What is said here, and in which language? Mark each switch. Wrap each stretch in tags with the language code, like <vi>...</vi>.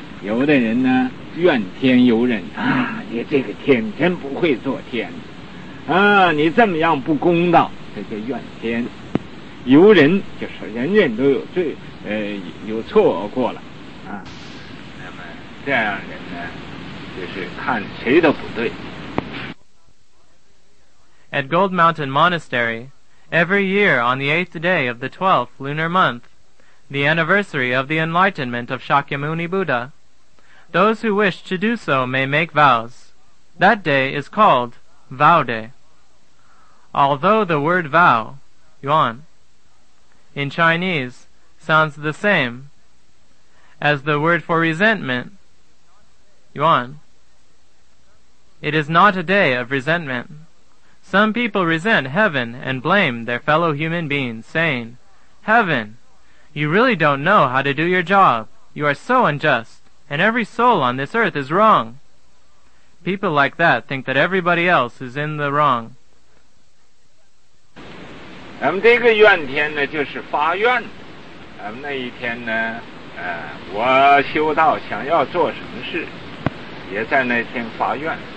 <zh>有的人呢怨天尤人啊，你这个天真不会做天啊，你这么样不公道，这叫怨天尤人，就是人人都有罪，有错过了啊。那么这样人呢，就是看谁都不对。</zh> <en>At Gold Mountain Monastery, every year on the 8th day of the 12th lunar month, the anniversary of the enlightenment of Shakyamuni Buddha, those who wish to do so may make vows. That day is called Vow Day. Although the word vow, yuan, in Chinese sounds the same as the word for resentment, yuan, it is not a day of resentment. Some people resent heaven and blame their fellow human beings, saying, Heaven, you really don't know how to do your job. You are so unjust. And every soul on this earth is wrong. People like that think that everybody else is in the wrong.</en> <zh>咱们这个愿天呢，就是发愿。咱们那一天呢，我修道想要做什么事，也在那天发愿。</zh>